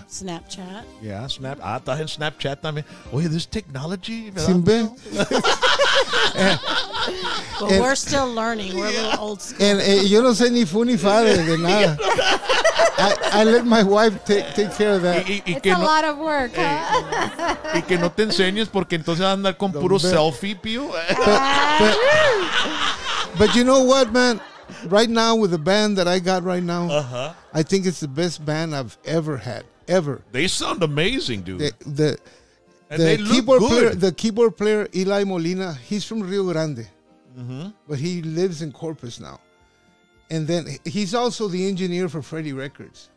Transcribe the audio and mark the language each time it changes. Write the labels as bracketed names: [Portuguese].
[English] it. Snapchat. Yeah, snap. [Spanish] Ah, está en Snapchat también. Oye, [English] this technology. Simbe. But and, we're still learning. We're yeah. a little old school. [Spanish] And yo no sé ni fu ni fa de nada. [English] I let my wife take care of that. It's a lot of work. [Spanish] Y que no te enseñes porque entonces vas a andar con puro selfie, Pio. [English] But you know what, man? Right now with the band that I got right now, I think it's the best band I've ever had, ever. They sound amazing, dude. The keyboard player, Eli Molina, he's from Rio Grande. But he lives in Corpus now. And then he's also the engineer for Freddie Records.